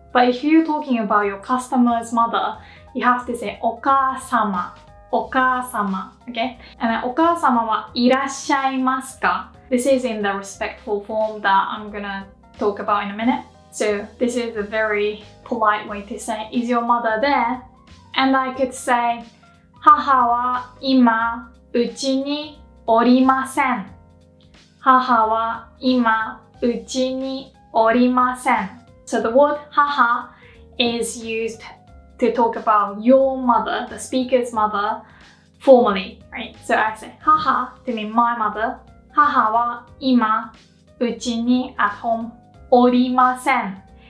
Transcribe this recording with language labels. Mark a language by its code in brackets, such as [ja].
[en] But if you're talking about your customer's mother, you have to say お母様, お母様, okay? And then [ja] お母様はいらっしゃいますか? [en] This is in the respectful form that I'm gonna talk about in a minute. So this is a very polite way to say, is your mother there? And I could say, [ja] 母は今うちにおりません。母は今うちにおりません。 [en] So the word 母 is used to talk about your mother, the speaker's mother, formally, right? So I say 母 to mean my mother. [ja] 母は今うちに [en] at home [ja] おりません。